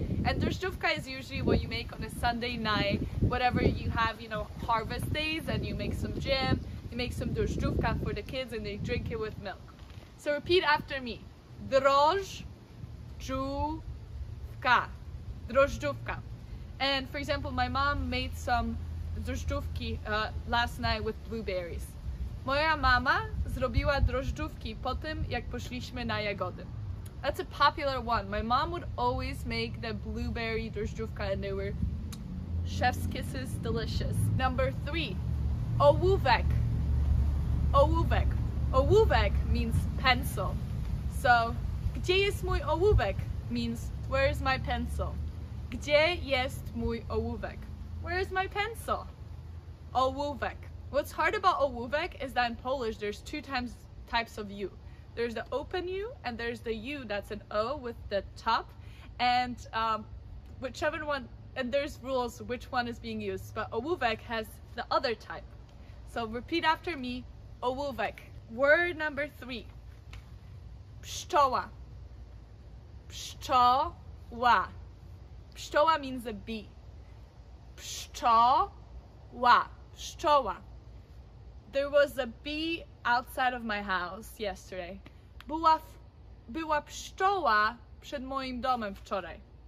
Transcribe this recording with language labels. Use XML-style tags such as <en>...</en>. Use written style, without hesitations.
<en>And drożdżówka is usually what you make on a Sunday night, whatever you have, you know, harvest days, and you make some jam, you make some drożdżówka for the kids, and they drink it with milk. So repeat after me. Drożdżówka. Drożdżówka. And for example, my mom made some drożdżówki last night with blueberries.</en> <pl>Moja mama zrobiła drożdżówki po tym, jak poszliśmy na jagody.</pl> <en>That's a popular one. My mom would always make the blueberry drożdżówka and they were chef's kisses, delicious. Number three, ołówek. Ołówek. Ołówek means pencil.</en> <pl>So, gdzie jest mój ołówek?</pl> <en>Means, where is my pencil?</en> <pl>Gdzie jest mój ołówek?</pl> <en>Where is my pencil? Ołówek. What's hard about ołówek is that in Polish there's two types of U. There's the open U and there's the U that's an O with the top. And whichever one, and there's rules which one is being used. But ołówek has the other type. So repeat after me, ołówek. Word number three, pszczoła. Pszczoła. Pszczoła means a bee.</en> <pl>Pszczoła. Pszczoła.</pl> <en>There was a bee outside of my house yesterday.</en> <pl>Była pszczoła przed moim domem wczoraj.</pl>